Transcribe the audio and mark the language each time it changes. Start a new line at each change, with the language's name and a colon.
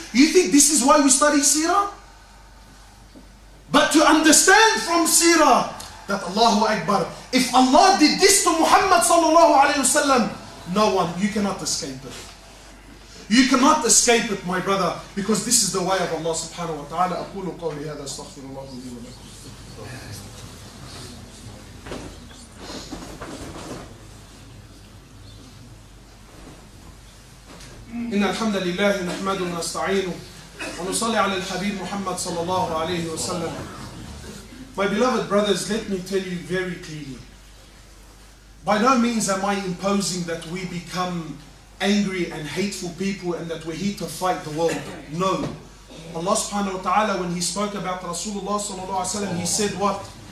English: You think this is why we study seerah? But to understand from seerah, that Allahu Akbar. If Allah did this to Muhammad sallallahu alayhi wasallam, no one, you cannot escape it. You cannot escape it, my brother, because this is the way of Allah subhanahu wa ta'ala.
Arabic: أقول قولي هذا استغفر الله لي ولكم. إن الحمد لله نحمده ونستعينه ونصلي على الحبيب محمد صلى الله عليه وسلم.
English: My beloved brothers, let me tell you very clearly. By no means am I imposing that we become angry and hateful people and that we're here to fight the world. No. Allah subhanahu wa ta'ala, when He spoke about Rasulullah sallallahu alayhi wa sallam, He said what?